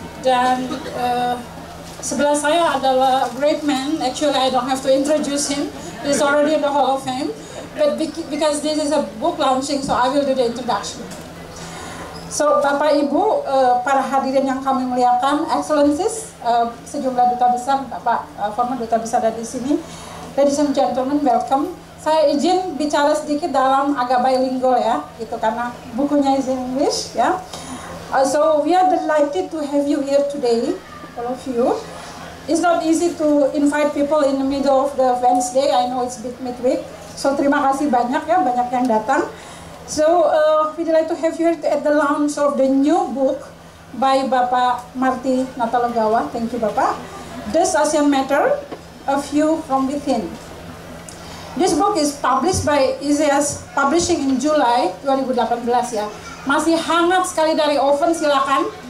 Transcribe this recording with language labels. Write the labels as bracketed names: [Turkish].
[Indonesian] Dan sebelah saya adalah [English] great man. Actually, I don't have to introduce him. He's already in the Hall of Fame. But because this is a book launching, so I will do the introduction. [Indonesian] So, Bapak Ibu, para hadirin yang kami muliakan, excellencies, sejumlah duta besar, Bapak former duta besar ada di sini. [English] Ladies and gentlemen, welcome. [Indonesian] Saya izin bicara sedikit dalam agak bilingual ya, gitu, karena bukunya [English] is in English [Indonesian] ya. [English] So we are delighted to have you here today, all of you. It's not easy to invite people in the middle of the Wednesday. I know it's a bit midweek. [Indonesian] So terima kasih banyak ya, banyak yang datang. [English] So we delight to have you here at the launch of the new book by Bapak Marty Natalegawa. Thank you, Bapak. Does ASEAN Matter? A View from Within. This book is published by ASEAN Publishing in July 2018 ya. [Indonesian] Masih hangat sekali dari oven, silakan.